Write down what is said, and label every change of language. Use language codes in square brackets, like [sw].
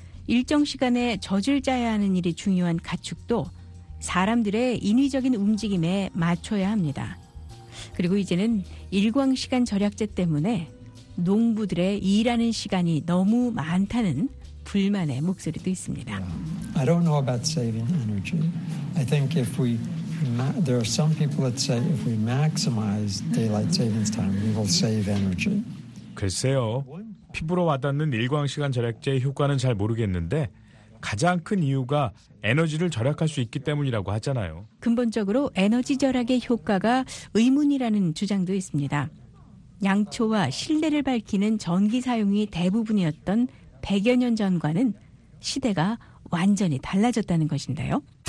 [ko] 일정 시간에 젖을 짜야 하는 일이 중요한 가축도 사람들의 인위적인 움직임에 맞춰야 합니다. 그리고 이제는 일광시간 절약제 때문에 농부들의 일하는 시간이 너무 많다는 불만의 목소리도 있습니다. [en] I don't know about saving energy. I think if we There are some people that say if we maximize daylight savings time, we will save energy. [ko] 글쎄요. 피부로 와닿는 일광시간 절약제의 효과는 잘 모르겠는데 가장 큰 이유가 에너지를 절약할 수 있기 때문이라고 하잖아요. 근본적으로 에너지 절약의 효과가 의문이라는 주장도 있습니다. 양초와 실내를 밝히는 전기 사용이 대부분이었던 100여 년 전과는 시대가 완전히 달라졌다는 것인데요.